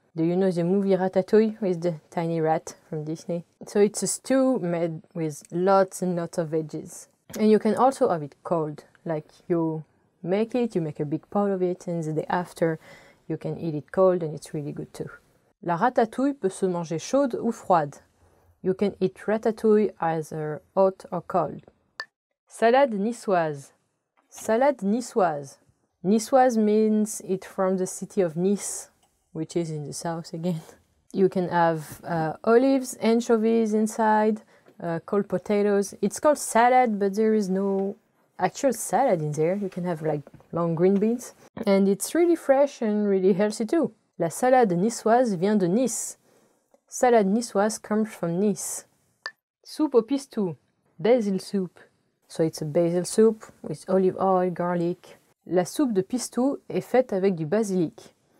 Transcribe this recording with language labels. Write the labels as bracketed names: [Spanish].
[English] Do you know the movie Ratatouille with the tiny rat from Disney? So it's a stew made with lots and lots of veggies. And you can also have it cold. Like you make a big pot of it and the day after you can eat it cold and it's really good too. [French] La ratatouille peut se manger chaude ou froide. [English] You can eat ratatouille either hot or cold. [French] Salade niçoise. [English] Niçoise means it's from the city of Nice, which is in the south again. You can have olives, anchovies inside, cold potatoes. It's called salad, but there is no actual salad in there. You can have like long green beans. And it's really fresh and really healthy too. [French] La salade niçoise vient de Nice. [English] Salade niçoise comes from Nice. [French] Soupe au pistou. [English] Basil soup. So it's a basil soup with olive oil, garlic. [French] La soupe de pistou est faite avec du basilic.